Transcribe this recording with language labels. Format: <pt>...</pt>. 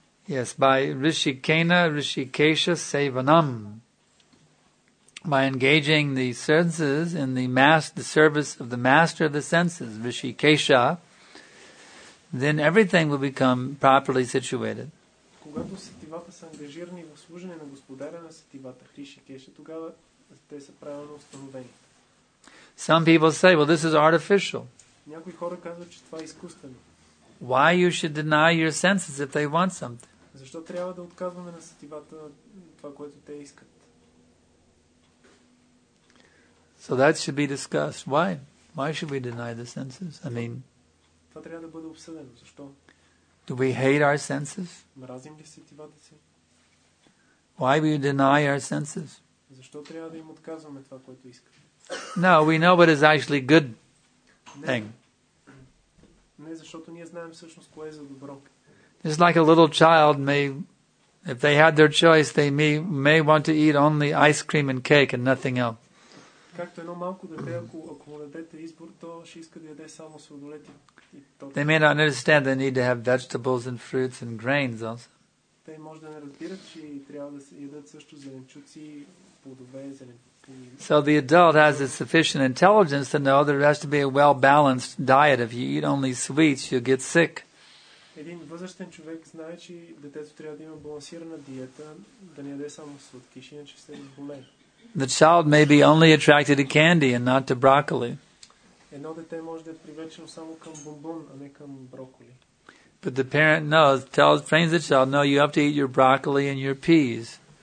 <en>Yes, by Rishikena, Hrishikesha Sevanam. By engaging the senses in the service of the master of the senses, Rishikesha, then everything will become properly situated.</en> <bg>Когато сетивата са ангажирани в служене на господаря на сетивата, Хришикеша, тогава те са правилно установени.</bg> <en>Some people say, well, this is artificial.</en> <bg>Някои хора казват, че това е изкуствено.</bg> <en>Why you should deny your senses if they want something?</en> <bg>Защо трябва да отказваме на сетивата това, което те искат?</bg> <en>So that should be discussed. Why? Why should we deny the senses? I mean,</en> <bg>това трябва да бъде обсъдено. Защо?</bg> <en>Do we hate our senses?</en> <bg>Мразим ли сетивата си?</bg> <en>Why we deny our senses?</en> <bg>Защо трябва да им отказваме това, което искаме?</bg> <en>No, we know what is actually good thing.</en> <bg>Не, защото ние знаем всъщност кое е за добро.</bg> <en>Just like a little child may, if they had their choice, they may want to eat only ice cream and cake and nothing else.</en> <bg>Както едно малко дете, ако му дадете избор, то ще иска да яде само сладолети.</bg> <en>They may not understand they need to have vegetables and fruits and grains also.</en> <bg>Те може да не разбират, че трябва да се ядат също зеленчуци, плодове,</bg> <en>So the adult has a sufficient intelligence to know there has to be a well-balanced diet. If you eat only sweets, you'll get sick.</en> <bg>Един възрастен човек знае, че детето трябва да има балансирана диета, да не яде само сладки, иначе ще се разболее.</bg> <en>The child may be only attracted to candy and not to broccoli.</en> <bg>Едно дете може да е привлечено само към бомбон, а не към броколи.</bg> <en>But the parent knows, trains the child, no, you have to eat your broccoli and your peas.</en>